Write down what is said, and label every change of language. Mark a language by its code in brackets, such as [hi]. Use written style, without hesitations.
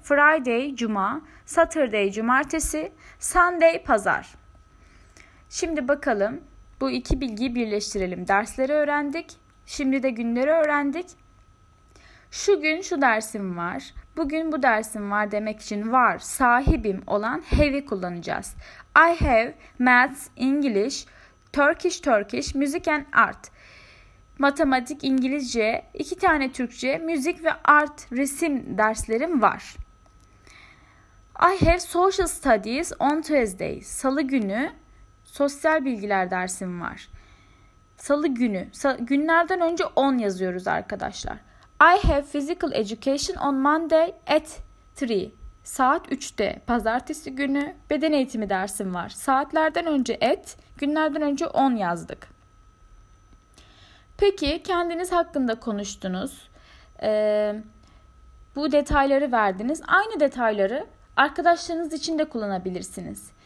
[en] Friday, cuma. Saturday, cumartesi. Sunday, pazar. [tr] Şimdi bakalım, bu iki bilgiyi birleştirelim. Dersleri öğrendik. Şimdi de günleri öğrendik. Şu gün şu dersim var. Bugün bu dersim var demek için var, sahibim olan have'i kullanacağız. [en] I have maths, English, Turkish, music and art. [tr] Matematik, İngilizce, iki tane Türkçe, müzik ve art, resim derslerim var. [en] I have social studies on Tuesday. [tr] Salı günü sosyal bilgiler dersim var. Salı günü. Günlerden önce 10 yazıyoruz arkadaşlar. [en] I have physical education on Monday at 3. [tr] Saat 3'te. Pazartesi günü beden eğitimi dersim var. Saatlerden önce at, günlerden önce 10 yazdık. Peki kendiniz hakkında konuştunuz. Bu detayları verdiniz. Aynı detayları arkadaşlarınız için de kullanabilirsiniz.